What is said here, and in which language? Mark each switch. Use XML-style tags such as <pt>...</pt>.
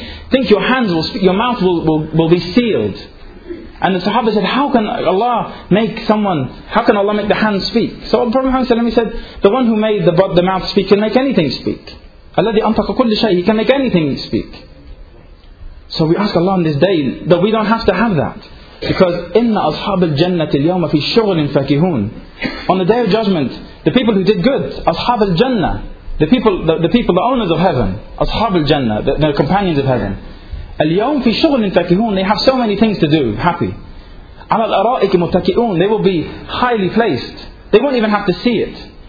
<en>Think your hands will speak, your mouth will be sealed. And the Sahaba said, how can Allah make the hands speak? So Prophet ﷺ said, the one who made the mouth speak can make anything speak.</en> <ar>الَّذِي أَنْطَقَ كُلِّ شَيْءٍ.</ar> <en>He can make anything speak. So we ask Allah on this day that we don't have to have that. Because</en> <ar>إِنَّ أَصْحَابَ الْجَنَّةِ الْيَوْمَ فِي شُغْلٍ فَكِهُونَ.</ar> <en>On the Day of Judgment, the people who did good,</en> <ar>أصحاب الجنة,</ar> <en>the people, the owners of heaven, أصحاب الجنة, the companions of heaven,</en> <ar>الْيَوْمَ فِي شُغْلٍ فَكِهُونَ.</ar> <en>They have so many things to do, happy.</en> <ar>عَلَى الْأَرَائِكِ مُتَّكِئُونَ.</ar> <en>They will be highly placed. They won't even have to see it.</en>